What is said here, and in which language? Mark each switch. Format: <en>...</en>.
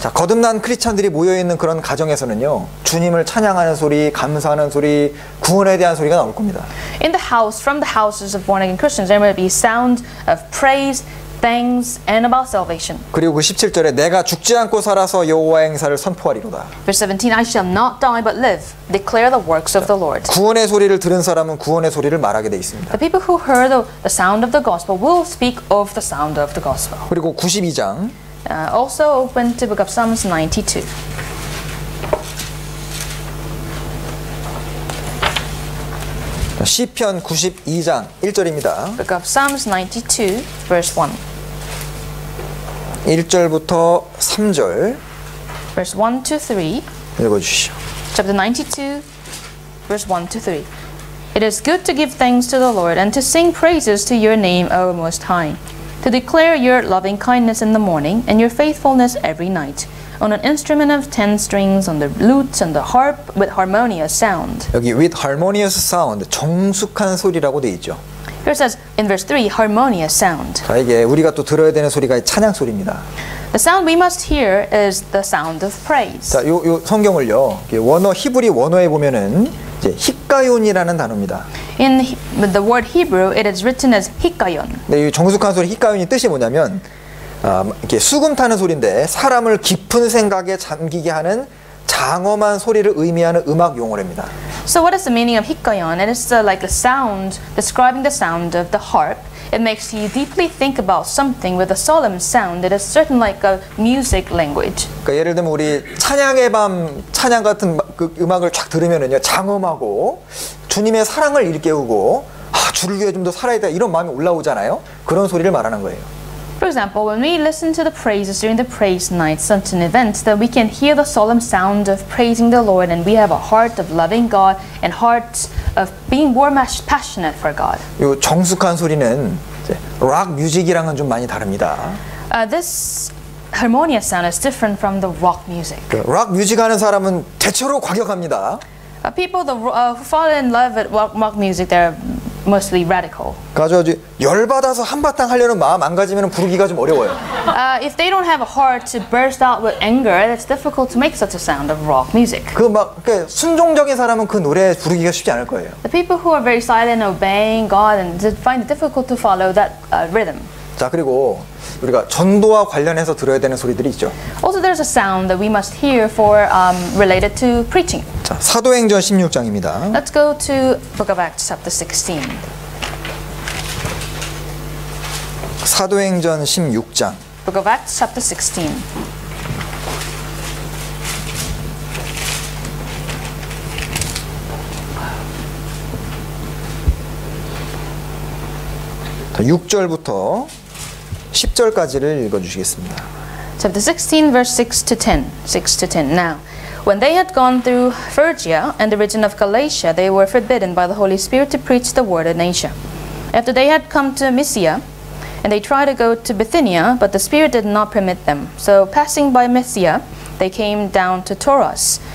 <ko>자, 거듭난 크리스천들이 모여 있는 그런 가정에서는요, 주님을 찬양하는 소리, 감사하는 소리, 구원에 대한 소리가 나올 겁니다.</ko> <en>In the house, from the houses of born again Christians, there might be sound of praise, thanks, and about salvation.</en> <ko>그리고 그 17절에 내가 죽지 않고 살아서 여호와 행사를 선포하리로다.</ko> <en>Verse 17, I shall not die but live, declare the works of the Lord.</en> <ko>구원의 소리를 들은 사람은 구원의 소리를 말하게 돼 있습니다.</ko> <en>The people who heard the sound of the gospel will speak of the sound of the gospel.</en> <ko>그리고 92장.</ko> <en>Also open to book of Psalms 92.</en> <ko>시편 92장 1절입니다.</ko> <en>Book of Psalms 92, verse 1.</en> <ko>1절부터 3절.</ko> <en>Verse 1 to 3.</en> <ko>읽어주시죠.</ko> <en>Chapter 92, verse 1 to 3. It is good to give thanks to the Lord and to sing praises to your name, O Most High. To declare your loving kindness in the morning and your faithfulness every night. On an instrument of 10 strings, on the lute and the harp, with harmonious sound.</en> <ko>여기</ko> <en>with harmonious sound,</en> <ko>정숙한 소리라고 돼 있죠.</ko> <en>Here it says in verse 3, harmonious sound.</en> <ko>자, 이게 우리가 또 들어야 되는 소리가 찬양 소리입니다.</ko> <en>The sound we must hear is the sound of praise.</en> <ko>자, 요 성경을요, 원어 히브리 원어에 보면은 이제 히카욘이라는 단어입니다.</ko> <en>In the word Hebrew, it is written as 히카욘.</en> <ko>네, 이 정숙한 소리 히카욘이 뜻이 뭐냐면. 이렇게 수금 타는 소리인데 사람을 깊은 생각에 잠기게 하는 장엄한 소리를 의미하는 음악 용어입니다.</ko> <en>So what is the meaning of 히카욘? It is like a sound describing the sound of the harp. It makes you deeply think about something with a solemn sound. It is certain like a music language.</en> <ko>그러니까 예를 들면 우리 찬양의 밤 찬양 같은 그 음악을 쫙 들으면은요 장엄하고 주님의 사랑을 일깨우고 아, 주를 위해 좀 더 살아야 돼 이런 마음이 올라오잖아요. 그런 소리를 말하는 거예요.</ko> <en>For example, when we listen to the praises during the praise night, certain events, then we can hear the solemn sound of praising the Lord, and we have a heart of loving God and heart of being warm, passionate for God.</en> <ko>이 정숙한 소리는 락 뮤직이랑은 좀 많이 다릅니다.</ko> <en>This harmonious sound is different from the rock music.</en> <ko>락 뮤직 하는 사람은 대체로 과격합니다.</ko> <en>People who fall in love with rock music, they're mostly radical.</en> <ko>가져야지 열 받아서 한 바탕 하려는 마음 안 가지면 부르기가 좀 어려워요.</ko> <en>If they don't have a heart to burst out with anger, it's difficult to make such a sound of rock music.</en> <ko>그 막 그 순종적인 사람은 그 노래 부르기가 쉽지 않을 거예요.</ko> <en>The people who are very silent, obeying God, and find it difficult to follow that rhythm.</en> <ko>자 그리고 우리가 전도와 관련해서 들어야 되는 소리들이 있죠.</ko> <en>Also, there's a sound that we must hear for related to preaching.</en> <ko>자, 사도행전 16장입니다.</ko> <en>Let's go to Book of Acts, chapter 16.</en> <ko>사도행전 16장.</ko> <en>Book of Acts, chapter 16.</en> <ko>자, 6절부터. 10절까지를 읽어주시겠습니다.</ko> <en>Chapter 16, verse 6 to 10. 6 to 10. Now, when they had gone through Phrygia and the region of Galatia, they were forbidden by the Holy Spirit to preach the word in Asia. After they had come to Mysia, and they tried to go to Bithynia, but the Spirit did not permit them. So, passing by Mysia, they came down to Tauros.</en>